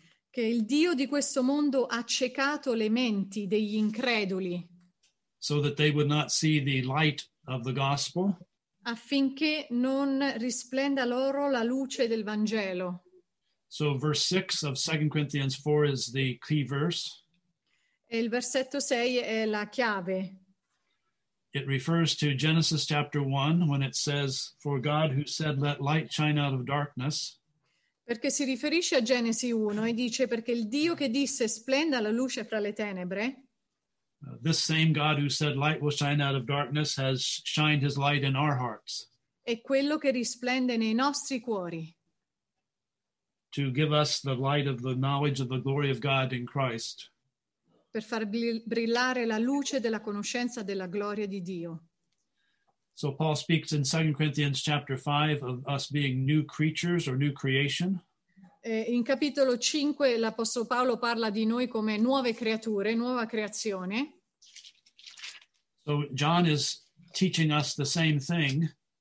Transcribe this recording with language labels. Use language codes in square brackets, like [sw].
[it] Che il Dio di questo mondo ha ciecato le menti degli increduli. [en] So that they would not see the light of the gospel. [it] Affinché non risplenda loro la luce del Vangelo. [en] So verse 6 of 2 Corinthians 4 is the key verse. [it] E il versetto 6 è la chiave. [en] It refers to Genesis chapter 1 when it says, for God who said, let light shine out of darkness. [it] Perché si riferisce a Genesi 1 e dice, perché il Dio che disse splenda la luce fra le tenebre. [en] This same God who said light will shine out of darkness has shined his light in our hearts. [it] È quello che risplende nei nostri cuori. [en] To give us the light of the knowledge of the glory of God in Christ. [it] Per far brillare la luce della conoscenza della gloria di Dio. [en] So Paul speaks in 2 Corinthians chapter 5 of us being new creatures or new creation. [it] In capitolo 5 l'Apostolo Paolo parla di noi come nuove creature, nuova creazione. [en] So John is teaching us the same thing.